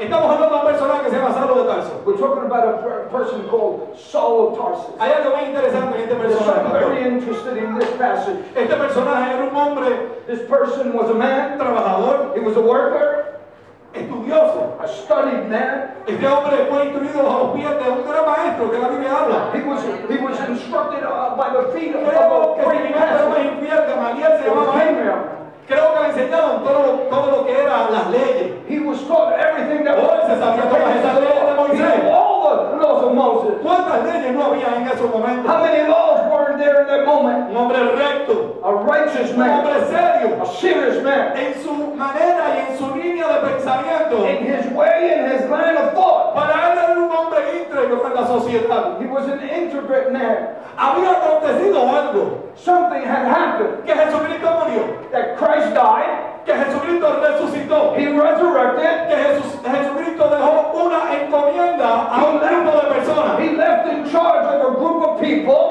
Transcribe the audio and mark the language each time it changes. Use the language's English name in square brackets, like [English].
[Spanish] Estamos hablando de una persona que se llama Saulo de Tarso. [English] We're talking about a person called Saul of Tarsus. [Spanish] Hay algo muy interesante en este personaje. [English] Very interested in this passage. [Spanish] Este personaje era un hombre. [English] This person was a man, [Spanish] trabajador. [English] He was a worker, [Spanish] estudioso. [English] A studied man. [Spanish] Este hombre fue instruido a los pies de un gran maestro que la Biblia habla. [English] He was instructed by the feet of a great [Spanish] master. Creo que se llamaba Abraham. Creo que le enseñaron todo lo que eran las leyes. [English] He was taught everything that was all the laws of Moses. [Spanish] ¿Cuántas leyes no había en ese momento? [English] How many laws were there in that moment? [Spanish] Un hombre recto. [English] A righteous man. [Spanish] Un hombre serio. [English] A serious man. [Spanish] En su manera y en su línea de pensamiento. [English] In his way and his line of thought. [Spanish] Para él era un hombre íntegro en la sociedad. [English] He was an integrate man. [Spanish] Había acontecido algo. [English] Something had happened. [Spanish] Que Jesucristo murió. [English] That Christ died. [Spanish] Que Jesucristo resucitó. [English] He resurrected. [Spanish] Que Jesucristo dejó una encomienda a un grupo de personas. [English] He left in charge of a group of people.